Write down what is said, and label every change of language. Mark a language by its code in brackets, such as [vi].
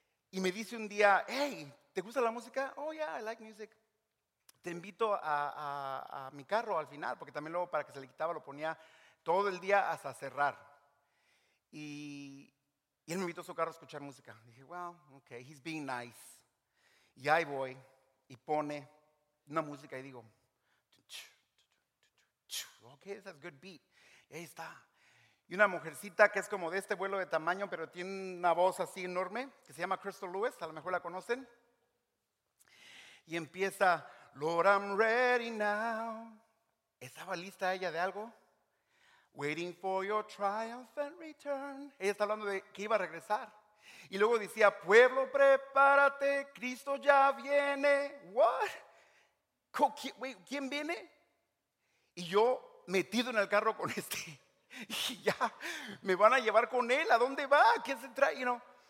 [es] Y me dice un día, hey, ¿te gusta la música? [en] Oh yeah, I like music. [es] Te invito a mi carro al final, porque también luego para que se le quitaba lo ponía todo el día hasta cerrar. Y él me invitó a su carro a escuchar música. Dije, [en] well, okay, he's being nice. [es] Y ahí voy y pone una música y digo, [en] ok, that's good beat. [es] Y ahí está. Y una mujercita que es como de este vuelo de tamaño, pero tiene una voz así enorme, que se llama Crystal Lewis, a lo mejor la conocen. Y empieza, [en] Lord, I'm ready now. [es] ¿Estaba lista ella de algo? [en] Waiting for your triumph and return. [es] Ella está hablando de que iba a regresar. Y luego decía, pueblo, prepárate, Cristo ya viene. What? ¿Quién viene? Y yo metido en el carro con este. Y ya, me van a llevar con él. ¿A dónde va? ¿Qué se trae? [en] You know?